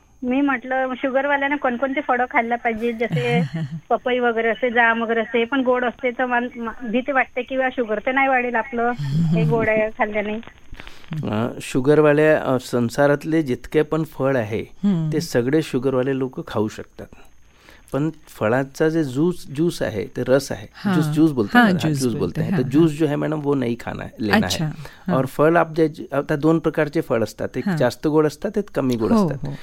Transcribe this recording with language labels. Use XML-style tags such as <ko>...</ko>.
<mr>मी म्हटलं शुगर वाल्यांना कोणकोणते फळं खायला पाहिजे, जसे पपई वगैरे असते, जाम वगैरे असते, पण गोड असते तर भीती वाटते की शुगर तर नाही वाढेल आपलं हे गोड आहे खाल्ल्याने. शुगरवाल्या संसारातले जितके पण फळ आहे ते सगळे शुगरवाले लोक खाऊ शकतात, पण फळाचा जे ज्यूस ज्यूस आहे ते रस आहे.</mr> <hi>हाँ, ज्यूस ज्यूस बोलते हैं. हाँ, ज्यूस बोलते हैं. तो ज्यूस जो है मैडम वो नहीं खाना है, लेना. अच्छा, है.</hi> <mr>और फळ आप जे आता दोन प्रकारचे फळ असतात, एक जास्त गोड असतात एक कमी गोड असतात.</mr>